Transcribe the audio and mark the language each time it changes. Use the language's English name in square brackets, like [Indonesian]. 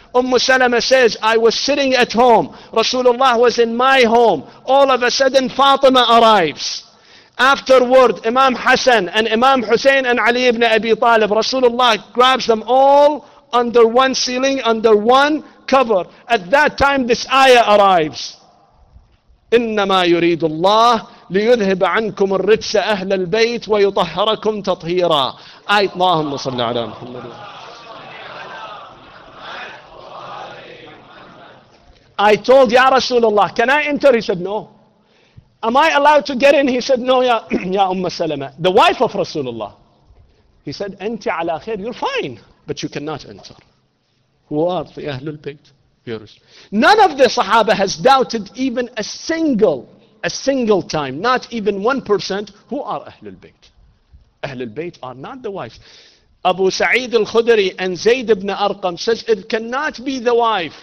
[English] Ummu Salama says, I was sitting at home. Rasulullah was in my home. All of a sudden, Fatima arrives. Afterward, Imam Hassan and Imam Hussein and Ali ibn Abi Talib, Rasulullah grabs them all under one ceiling, under one cover. At that time, this ayah arrives. [Arabic] إنما يريد الله ليذهب عنكم الرجس أهل البيت ويطهركم تطهيرا. آية اللهم صل على محمد. [English] I told [Arabic] يا رسول الله, [English] can I enter? He said no. Am I allowed to get in? He said no. [Arabic] يا أم سلمة, [English] the wife of رسول الله. He said [Arabic] أنت على خير, [English] you're fine, but you cannot enter. Who are the أهل البيت? None of the Sahaba has doubted even a single time, not even 1%, who are Ahlul Bayt. Ahlul Bayt are not the wives. Abu Sa'id al-Khudri and Zayd ibn Arqam says it cannot be the wife.